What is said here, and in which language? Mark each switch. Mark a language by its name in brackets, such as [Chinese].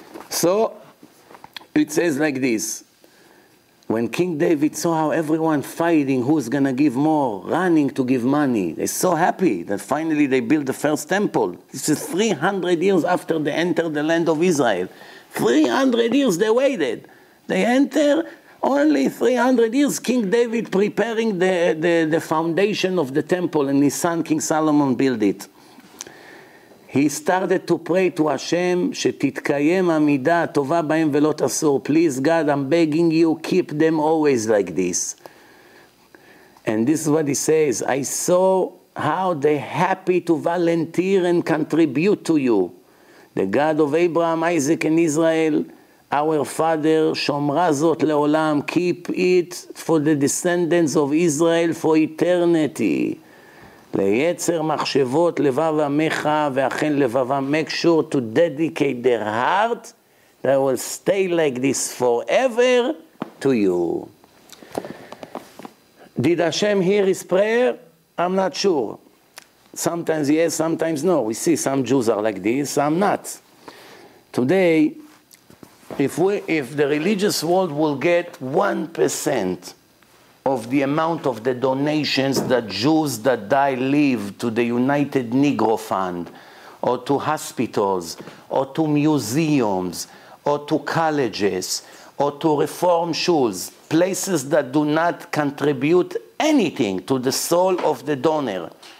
[English] So, it says like this. When King David saw how everyone fighting, who's going to give more, running to give money, they're so happy that finally they built the first temple. This is 300 years after they entered the land of Israel. 300 years they waited. They enter, only 300 years, King David preparing the foundation of the temple, and his son King Solomon built it. He started to pray to Hashem, [Hebrew] שתתקיים עמידה טובה בהם ולא תסור. [English] Please God, I'm begging you, keep them always like this. And this is what he says, I saw how they're happy to volunteer and contribute to you. The God of Abraham, Isaac and Israel, our father, [Hebrew] שומרה זאת לעולם, [English] keep it for the descendants of Israel for eternity. [Hebrew] ליצר מחשבות לבב עמך ואכן לבבם. [English] Make sure to dedicate their heart that will stay like this forever to you. Did Hashem hear his prayer? I'm not sure. Sometimes yes, sometimes no. We see some Jews are like this, some not. Today, if the religious world will get 1% of the amount of the donations that Jews that die leave to the United Negro Fund, or to hospitals, or to museums, or to colleges, or to reform shuls, places that do not contribute anything to the soul of the donor,